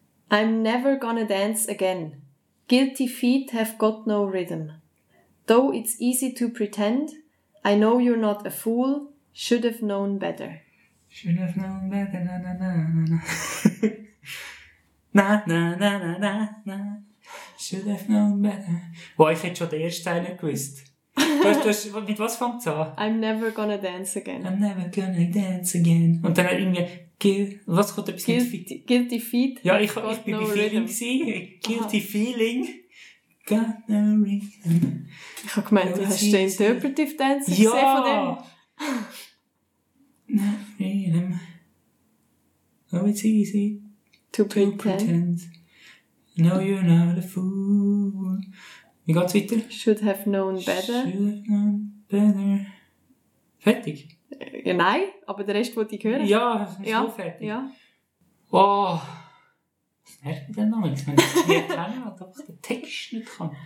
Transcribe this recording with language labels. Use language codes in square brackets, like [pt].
[en] I'm never gonna dance again. Guilty feet have got no rhythm. Though it's easy to pretend, I know you're not a fool, should have known better. Should have known better, na na na na na. Na na na na na na. Should have known better. [de] Boah, ich hätte schon den ersten Teil nicht gewusst. Du hast, mit was fängt es an? [en] I'm never gonna dance again. I'm never gonna dance again. [de] Und dann irgendwie, was kommt da bis [en] mit Feet? Guilty Feet. [de] Ja, ich bin no bei Feeling gewesen. [en] Guilty Aha. Feeling. Got no rhythm. [de] Ich habe gemeint, du hast den Interpretive Dance gesehen von dem. [en] No rhythm. Oh, it's easy to pretend. No, you're not a fool. [de] Wie geht's weiter? [en] Should have known better. Should have known better. [de] Fertig? Ja, nein, aber der Rest wollte ich hören. Ja, ist auch fertig. Ja. Oh. Was nervt mich denn noch? Ich meine, ich kann nicht kennen, aber ich den Text nicht kann.